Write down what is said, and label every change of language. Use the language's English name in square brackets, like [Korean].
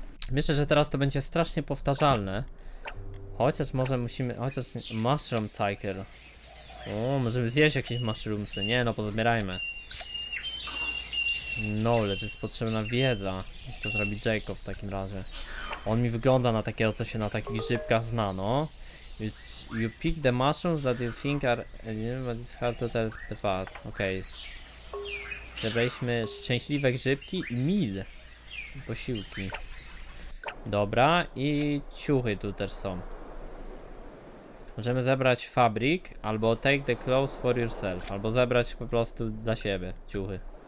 [Polish] Myślę, że teraz to będzie strasznie powtarzalne. Chociaż może musimy, chociaż mushroom cycle. O, możemy zjeść jakieś mushroomsy, nie no, pozbierajmy. No, lecz jest potrzebna wiedza. Jak to zrobi Jacob w takim razie? On mi wygląda na takiego, co się na takich grzybkach zna, no. [English] You pick the mushrooms that you think are... Nie wiem, but it's hard to tell the path. Okej. [Polish] Zebraliśmy szczęśliwe grzybki i mil. Posiłki. Dobra, i ciuchy tu też są. Możemy zebrać fabric, albo take the clothes for yourself, albo zebrać po prostu dla siebie ciuchy.